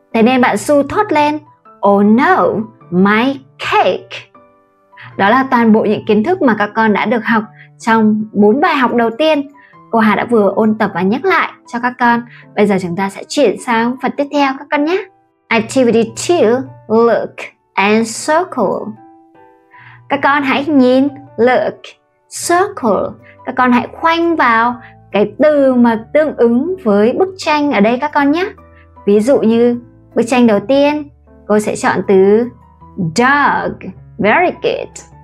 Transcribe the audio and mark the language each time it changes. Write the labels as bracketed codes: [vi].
[vi] Thế nên bạn Sue thốt lên [en] oh no, my cake. [vi] Đó là toàn bộ những kiến thức mà các con đã được học trong 4 bài học đầu tiên. Cô Hà đã vừa ôn tập và nhắc lại cho các con. Bây giờ chúng ta sẽ chuyển sang phần tiếp theo các con nhé. [en] Activity 2, look and circle. [vi] Các con hãy nhìn, [en] look, circle. [vi] Các con hãy khoanh vào cái từ mà tương ứng với bức tranh ở đây các con nhé. Ví dụ như bức tranh đầu tiên, cô sẽ chọn từ dog. [en] Very good.